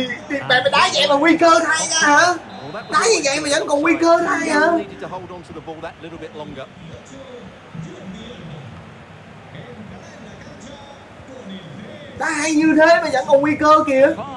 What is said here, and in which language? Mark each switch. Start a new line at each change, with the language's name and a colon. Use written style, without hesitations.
Vietnamese: Mày mày đá vậy mà nguy cơ thay nha hả? Đá như vậy mà vẫn còn nguy cơ thay hả?
English: Need to hold on to the ball that little bit longer.
Vietnamese: Đá hay như thế mà vẫn còn nguy cơ kìa.